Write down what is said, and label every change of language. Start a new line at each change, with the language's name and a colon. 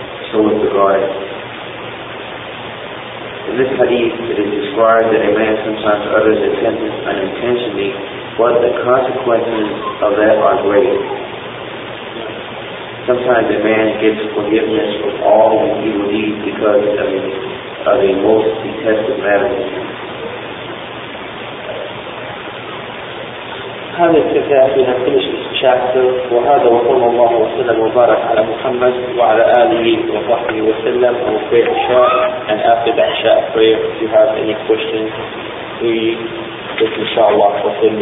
English: So with regard, in this hadith, it is described that a man sometimes utters a sentence unintentionally, but the consequences of that are great. Sometimes a man gets forgiveness of all that he will need because of a most detested matter.
Arabic: هذا الكتاب فينا
English: finish this chapter.
Arabic: وهذا وصلى الله وسلم وبارك على محمد وعلى آله وصحبه وسلم.
English: I will pray Isha, and after the Isha prayer, if you have any questions, we will inshallah fulfill them.